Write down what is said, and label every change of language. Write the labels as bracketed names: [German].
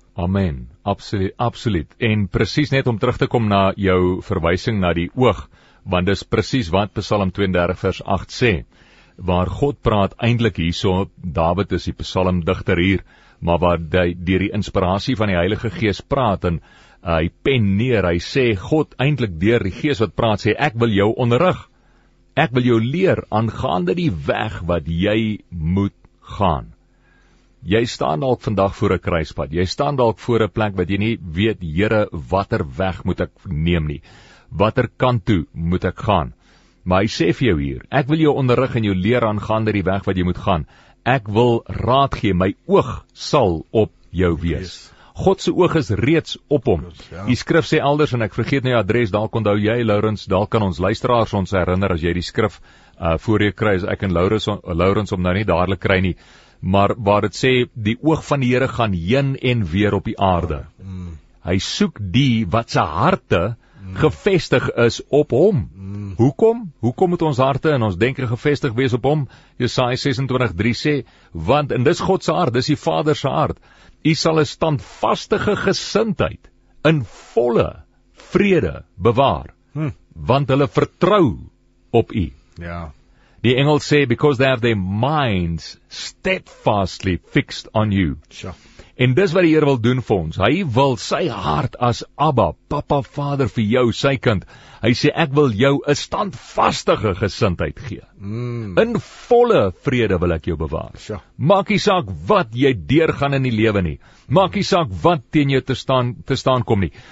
[Afrikaans] Amen, absoluut, absoluut. En precies net om terug te kom na jou verwysing na die oog, want dis precies wat Psalm 32 vers 8 sê, waar God praat eindelijk hierso, David is die Psalm dichter hier, maar waar die die inspiratie van die Heilige Gees praat, en hy pen neer, hy sê, God eindelijk deur die Gees wat praat, sê, ek wil jou onderrig, ek wil jou leer, aangaande die weg wat jy moet gaan. Jy staan dalk vandag voor 'n kruispad. Jy staan dalk voor 'n plek wat jy nie weet, Here, watter weg moet ek neem nie. Watter kant toe moet ek gaan? Maar hy sê vir jou hier, ek wil jou onderrig en jou leer aangaande die weg wat jy moet gaan. Ek wil raad gee, my oog sal op jou wees. God se oog is reeds op hom. Die skrif sê elders en ek vergeet nou die adres, dalk onthou jy Lourens, dalk kan ons luisteraars ons herinner as jy die skrif voor jou kry, as ek en Lourens om nou nie dadelik kry nie. Maar waar het sê, die oog van die Here gaan heen en weer op die aarde. Hy soek die wat sy harte gevestig is op hom. Hoekom? Hoekom moet ons harte en ons denke gevestig wees op hom? Jesaja 26:3 sê, want in dis God se hart, dis die Vader se hart, hy sal 'n standvastige gesindheid in volle vrede bewaar, want hulle vertrou op u. Ja. Die Engels sê, [English] because they have their minds steadfastly fixed on you. Sure. [Afrikaans] En dis wat die Heer wil doen vir ons. Hy wil sy hart as Abba, Papa, Vader vir jou, sy kind. Hy sê, ek wil jou 'n standvastige gesindheid gee. In volle vrede wil ek jou bewaar. [English] Sure. [Afrikaans] Maak nie saak wat jy deurgaan in die lewe nie. Maak nie saak wat teen jou te staan kom nie.